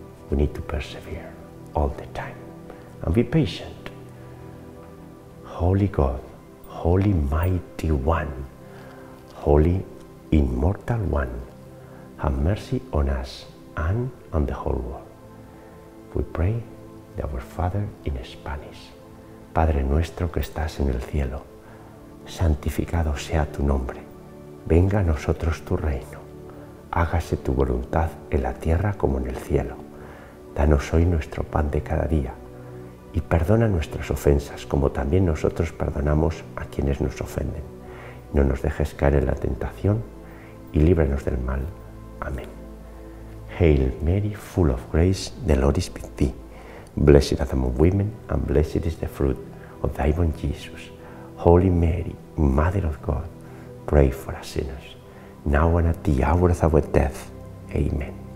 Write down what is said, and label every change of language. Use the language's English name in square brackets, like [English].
[English] We need to persevere all the time and be patient. Holy God, Holy Mighty One, Holy Immortal One, have mercy on us and on the whole world. We pray to our Father in Spanish. [Spanish] Padre nuestro que estás en el cielo, santificado sea tu nombre. venga a nosotros tu reino. Hágase tu voluntad en la tierra como en el cielo. Danos hoy nuestro pan de cada día. Y perdona nuestras ofensas, como también nosotros perdonamos a quienes nos ofenden. No nos dejes caer en la tentación y líbranos del mal. Amén. [English] Hail Mary, full of grace, the Lord is with thee. Blessed art thou among women, and blessed is the fruit of thy womb, Jesus. Holy Mary, Mother of God, pray for us sinners, now and at the hour of our death. Amen.